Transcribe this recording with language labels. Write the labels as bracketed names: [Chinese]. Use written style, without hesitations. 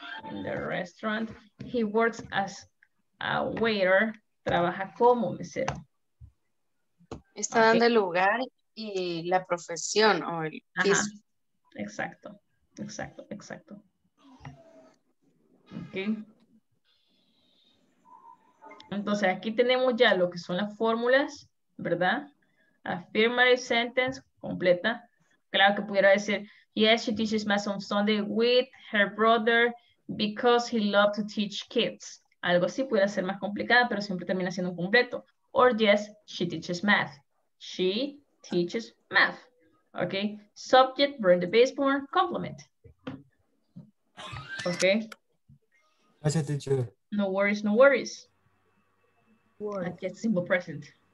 [English] In the restaurant, he works as a waiter. [Spanish] Trabaja como mesero. Está okay. Dando el lugar y la profesión o el piso. Exacto, exacto, exacto. Okay. Entonces aquí tenemos ya lo que son las fórmulas, ¿verdad? [English] Affirmative sentence completa. [Spanish] Claro que pudiera decir, [English] yes, she teaches math on Sunday with her brother because he loves to teach kids. [Spanish] Algo así pudiera ser más complicada, pero siempre termina siendo un completo. [English] Or yes, she teaches math. She teaches math. Okay. Subject, verb, the baseball, complement. Okay. [Spanish] Gracias, teacher. [English] No worries, no worries. Word. [Spanish] Aquí es [English] simple present.